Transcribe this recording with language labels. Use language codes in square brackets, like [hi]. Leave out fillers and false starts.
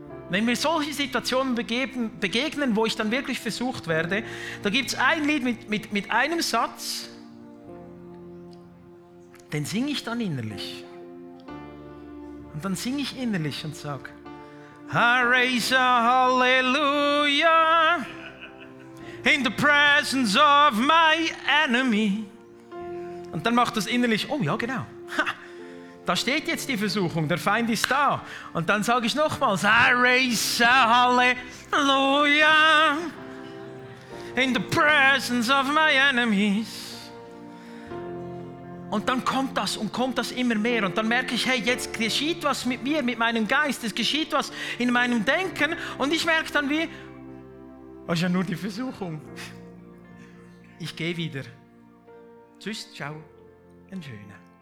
[de] Wenn mir solche Situationen begegnen, wo ich dann wirklich versucht werde, da gibt es ein Lied mit einem Satz, den singe ich dann innerlich. Und dann singe ich innerlich und sage, [en] I raise a hallelujah. In the presence of my enemy. [de] Und dann macht das innerlich, oh ja, genau. Ha, da steht jetzt die Versuchung, der Feind ist da. Und dann sage ich nochmals, [en] I raise a hallelujah. In the presence of my enemies. [de] Und dann kommt das immer mehr. Und dann merke ich, hey, jetzt geschieht was mit mir, mit meinem Geist. Es geschieht was in meinem Denken. Und ich merke dann, wie, das ist ja nur die Versuchung. Ich gehe wieder. Tschüss, ciao, einen schönen.